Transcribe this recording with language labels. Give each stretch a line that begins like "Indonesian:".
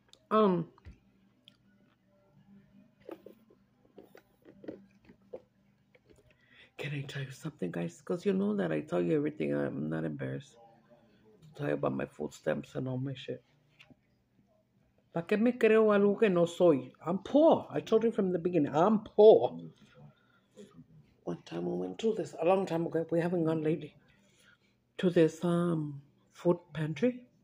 English: Can I tell you something, guys? Because you know that I tell you everything. I'm not embarrassed. Tell you about my food stamps and all my shit.
Spanish: ¿Para qué me creo algo que no soy?
English: I'm poor. I told you from the beginning. I'm poor. One time we went to this, a long time ago, we haven't gone lately, to this food pantry.